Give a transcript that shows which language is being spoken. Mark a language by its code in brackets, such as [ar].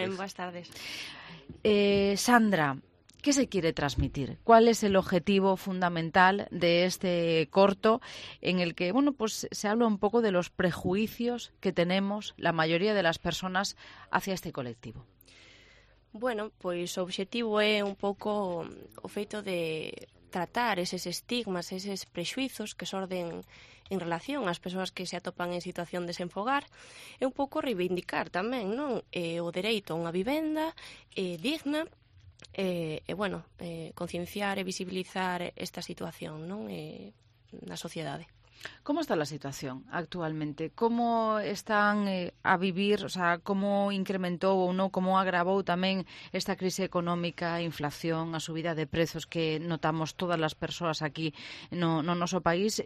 [es] Bien, buenas tardes. Sandra, ¿qué se quiere transmitir? ¿Cuál es el objetivo fundamental de este corto en el que, bueno, pues se habla un poco de los prejuicios que tenemos la mayoría de las personas hacia este colectivo? [gl] Bueno, pues o objetivo é un pouco o feito de tratar eses estigmas, eses prexuizos que xorden en relación ás persoas que se atopan en situación de sen fogar, é un pouco reivindicar tamén, non? O dereito a unha vivenda digna, concienciar e visibilizar esta situación, non? Na sociedade. Como está a situación actualmente? Como están a vivir, o sea, como incrementou ou non, como agravou tamén esta crise económica, a inflación, a subida de prezos que notamos todas as persoas aquí no noso país?